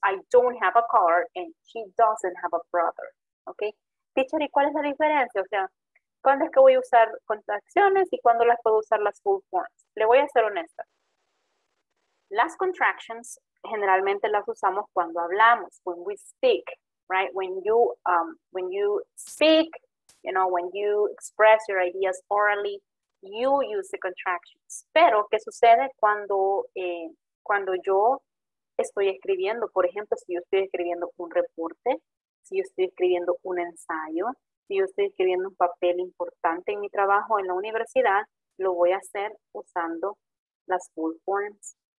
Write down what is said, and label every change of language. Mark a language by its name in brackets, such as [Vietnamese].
[English] I don't have a car and she doesn't have a brother, okay? [Spanish] Teacher, ¿y cuál es la diferencia? O sea, ¿cuándo es que voy a usar contracciones y cuándo las puedo usar las full forms? Le voy a ser honesta. Las contractions generalmente las usamos cuando hablamos, [English] when we speak, right? When you speak, you know, when you express your ideas orally, you use the contractions. [Spanish] Pero, ¿qué sucede cuando, cuando yo estoy escribiendo? Por ejemplo, si yo estoy escribiendo un reporte, si yo estoy escribiendo un ensayo, si yo estoy escribiendo un papel importante en mi trabajo en la universidad, lo voy a hacer usando las full forms.